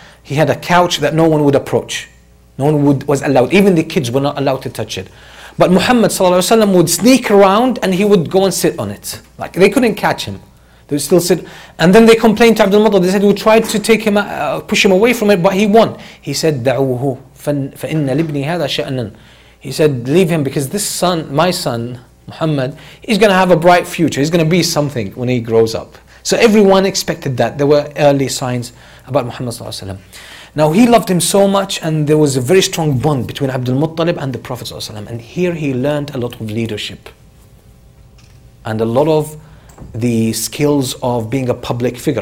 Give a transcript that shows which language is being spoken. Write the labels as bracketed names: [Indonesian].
[English] He had a couch that no one would approach. No one was allowed. Even the kids were not allowed to touch it. But Muhammad sallallahu alayhi wa sallam would sneak around and he would go and sit on it. Like they couldn't catch him. They still sit, and then they complained to Abdul Muttalib. They said, "We tried to take him, push him away from it, but he won." He said, [Arabic] "دعوهُ فإن لبني هذا شأنًا." [English] He said, "Leave him, because this son, my son Muhammad, he's going to have a bright future. He's going to be something when he grows up." So everyone expected that. There were early signs about Muhammad sallallahu alaihi wasallam. Now he loved him so much, and there was a very strong bond between Abdul Muttalib and the Prophet sallallahu alaihi wasallam. And here he learned a lot of leadership and a lot of the skills of being a public figure.